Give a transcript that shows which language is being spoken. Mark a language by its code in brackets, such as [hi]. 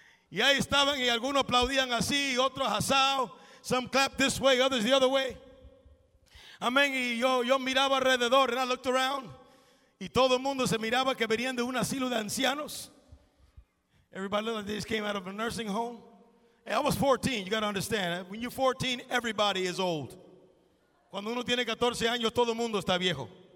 [es] Y ahí estaban, y algunos aplaudían así, y otros asao. [en] Some clapped this way, others the other way. Amén. [es] Y yo miraba alrededor, [en] and I looked around. [es] Y todo el mundo se miraba que venían de un asilo de ancianos. [en] Everybody looked like they just came out of a nursing home. Hey, I was 14, you got to understand. When you're 14, everybody is old. [es] Cuando uno tiene 14 años, todo el mundo está viejo.